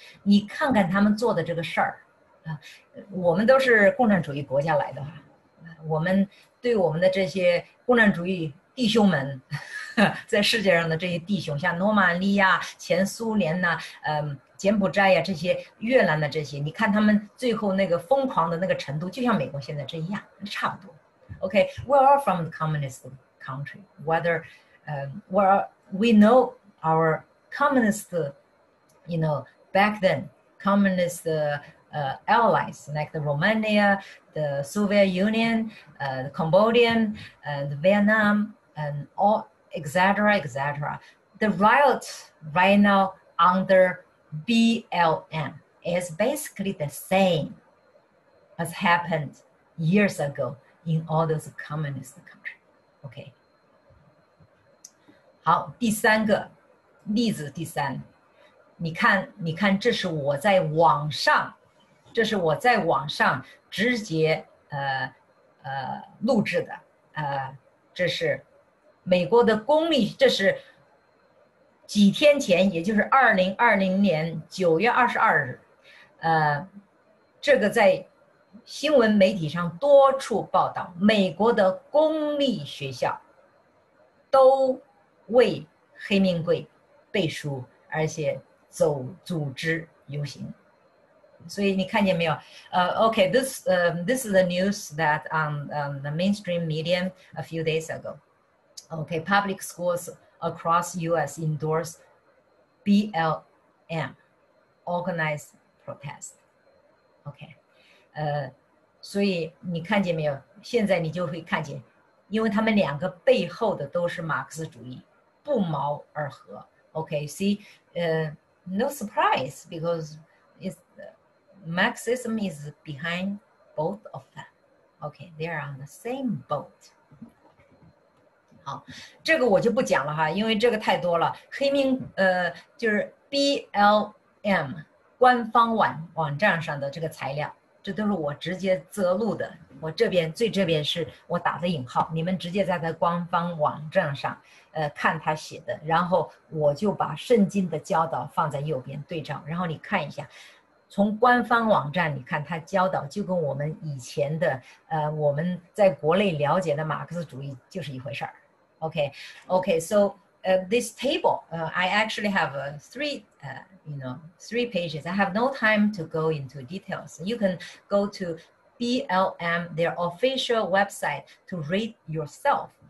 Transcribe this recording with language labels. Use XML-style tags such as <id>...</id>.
<zh>你看看他们做的这个事儿。我们都是共产主义国家来的，我们对我们的这些共产主义弟兄们，在世界上的这些弟兄，像诺曼利亚、前苏联呐、柬埔寨呀、这些越南的这些，你看他们最后那个疯狂的那个程度，就像美国现在这样，差不多。</zh> <en>Okay, we are from the communist country. Whether, we know our communist, you know, back then communist. Allies like the Romania, the Soviet Union, the Cambodian, the Vietnam, and all etc. The riot right now under BLM is basically the same as happened years ago in all those communist countries. Okay.</en> <zh>好，第三个例子，第三，你看，这是我在网上。这是我在网上直接录制的，这是美国的公历，这是几天前，也就是2020年9月22日，这个在新闻媒体上多处报道，美国的公立学校都为黑命贵背书，而且走组织游行。所以你看见没有？</zh> <en>Okay, this is the news that the mainstream media a few days ago. Okay, public schools across U.S. endorse BLM, organized protest.</en> <zh>Okay, 所以你看见没有？现在你就会看见，因为他们两个背后的都是马克思主义，不谋而合。</zh> <en>Okay, see, no surprise because it's Marxism is behind both of them. Okay, they are on the same boat.</en> <zh>好，这个我就不讲了哈，因为这个太多了。黑命就是 BLM 官方网站上的这个材料。这都是我直接择录的，我这边最这边是我打的引号，你们直接在他官方网站上，看他写的，然后我就把圣经的教导放在右边对照，然后你看一下，从官方网站你看他教导就跟我们以前的，我们在国内了解的马克思主义就是一回事儿。</zh> <en>OK, so this table, I actually have three pages. I have no time to go into details. You can go to BLM, their official website, to read yourself.</en>